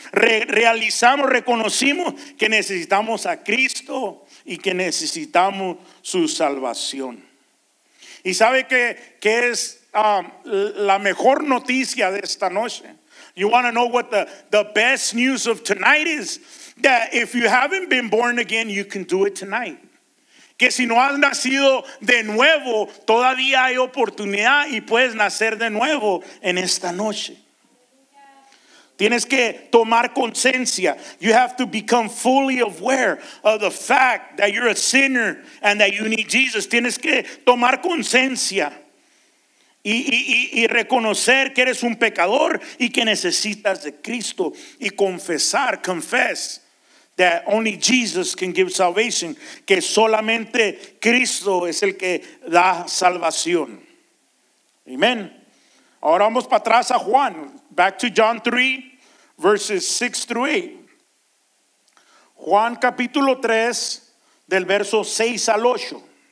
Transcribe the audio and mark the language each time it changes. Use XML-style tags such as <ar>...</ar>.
<es>Realizamos, reconocimos que necesitamos a Cristo y que necesitamos su salvación. Y sabe que es la mejor noticia de esta noche.</es> <en>You want to know what the best news of tonight is? That if you haven't been born again, you can do it tonight.</en> <es>Que si no has nacido de nuevo, todavía hay oportunidad y puedes nacer de nuevo en esta noche. Tienes que tomar conciencia.</es> <en>You have to become fully aware of the fact that you're a sinner and that you need Jesus.</en> <es>Tienes que tomar conciencia. Y reconocer que eres un pecador y que necesitas de Cristo.</es> <en>Y confess that only Jesus can give salvation.</en> <es>Que solamente Cristo es el que da salvación.</es> <en>Amen.</en> <es>Ahora vamos para atrás a Juan.</es> <en>Back to John 3, verses 6 through 8.</en> <es>Juan capítulo 3, del verso 6 al 8.</es>